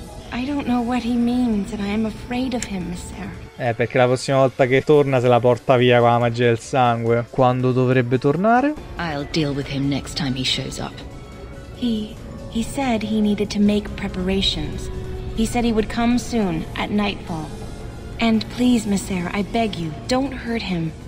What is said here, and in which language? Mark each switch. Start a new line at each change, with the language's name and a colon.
English: I don't know what he means, and I am afraid of him, Mister.
Italian: Perché la prossima volta che torna se la porta via con la magia del sangue. Quando dovrebbe tornare?
English: I'll deal with him next time he shows up. He said he needed to make preparations. He said he would come soon, at nightfall. And please, Mister, I beg you, don't hurt him.